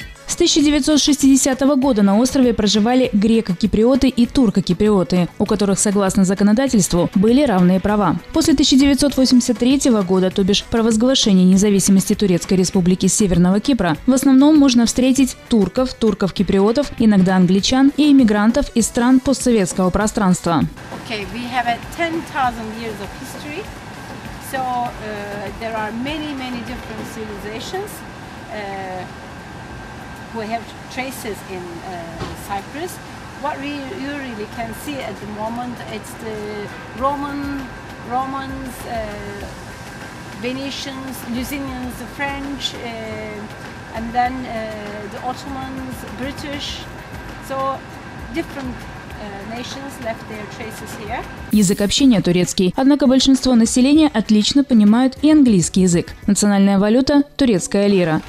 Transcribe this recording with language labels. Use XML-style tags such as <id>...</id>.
<ru>С 1960 года на острове проживали греко-киприоты и турко-киприоты, у которых, согласно законодательству, были равные права. После 1983 года, то бишь провозглашения независимости Турецкой республики Северного Кипра, в основном можно встретить турков, турков-киприотов, иногда англичан и иммигрантов из стран постсоветского пространства.</ru> <en>Okay, we have 10,000 years of history, so there are many, many different civilizations. We have traces in Cyprus. What you really can see at the moment, it's the Romans, Venetians, Lusignans, the French, and then the Ottomans, British. So different nations left their traces here.</en> <ru>Язык общения турецкий, однако большинство населения отлично понимают и английский язык. Национальная валюта – турецкая лира.</ru>